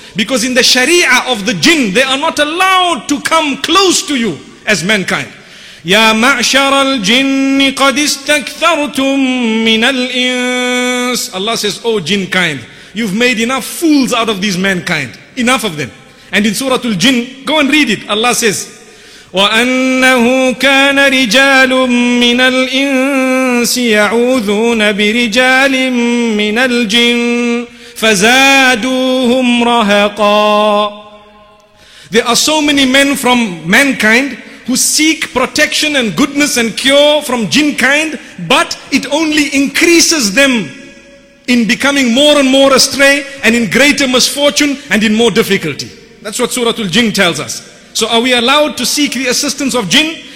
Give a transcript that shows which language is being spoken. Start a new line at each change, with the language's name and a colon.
English: Because in the Sharia of the jinn, they are not allowed to come close to you as mankind.
Arabic: يَا مَعْشَرَ الْجِنِّ قَدِ اسْتَكْثَرْتُمْ مِنَ الْإِنسِ.
English: Allah says, oh jinn kind, you've made enough fools out of these mankind. Enough of them. And in Surah Al-Jinn, go and read it. Allah says,
Arabic: وَأَنَّهُ كَانَ رِجَالٌ مِّنَ الْإِنسِ يَعُوذُونَ بِرِجَالٍ مِّنَ الْجِنِّ فَزَادُوهُمْ رَهَقًا.
English: There are so many men from mankind who seek protection and goodness and cure from jinn kind, but it only increases them in becoming more and more astray and in greater misfortune and in more difficulty. That's what Surah Al-Jinn tells us. So are we allowed to seek the assistance of jinn?